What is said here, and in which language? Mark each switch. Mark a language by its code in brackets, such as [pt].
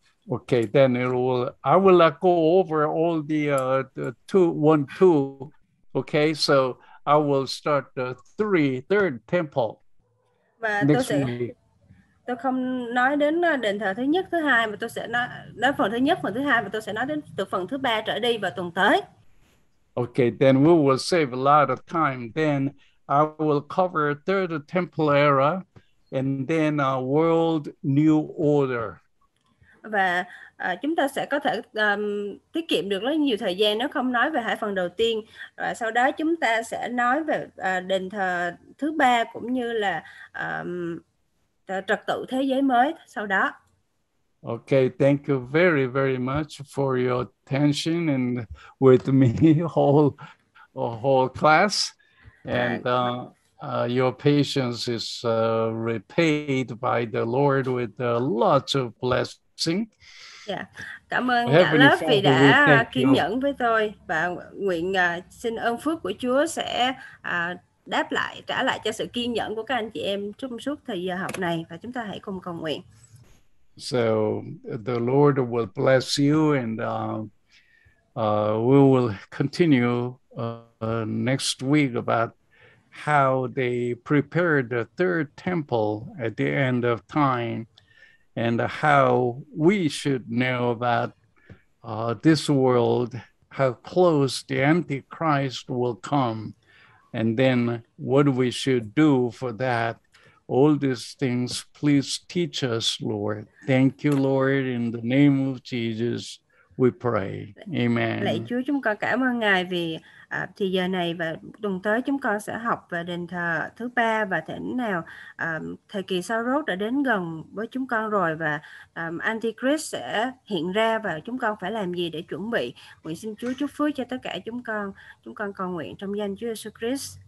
[en] Okay, then I will go over all the two. Okay, so I will start the third temple. [vi] Và tôi không nói đến đền thờ thứ nhất, thứ hai, mà tôi sẽ nói phần thứ nhất, phần thứ hai, và tôi sẽ nói đến từ phần thứ ba trở đi vào tuần tới. [en] Okay, then we will save a lot of time. Then I will cover third temple era and then a world new order. [vi] Và chúng ta sẽ có thể tiết kiệm được rất nhiều thời gian nếu không nói về hai phần đầu tiên. Và sau đó chúng ta sẽ nói về đền thờ thứ ba cũng như là trật tự thế giới mới sau đó. [en] Okay, thank you very, very much for your attention and with me whole class. And your patience is repaid by the Lord with lots of blessing. [vi] Yeah, cảm ơn cả lớp vì đã kiên nhẫn với tôi và nguyện xin ơn phước của Chúa sẽ đáp lại, trả lại cho sự kiên nhẫn của các anh chị em trong suốt thời giờ học này, và chúng ta hãy cùng cầu nguyện. [en] So the Lord will bless you, and we will continue next week about how they prepared the third temple at the end of time, and how we should know about this world, how close the Antichrist will come, and then what we should do for that. All these things, please teach us, Lord. Thank you, Lord. In the name of Jesus, we pray. Amen. [vi] Lạy Chúa, chúng con cảm ơn Ngài vì thì giờ này và tuần tới chúng con sẽ học về đền thờ thứ ba và thỉnh nào thời kỳ sau rốt đã đến gần với chúng con rồi, và Antichrist sẽ hiện ra và chúng con phải làm gì để chuẩn bị. Nguyện xin Chúa chúc phước cho tất cả chúng con. Chúng con cầu nguyện trong danh Chúa Jesus Christ.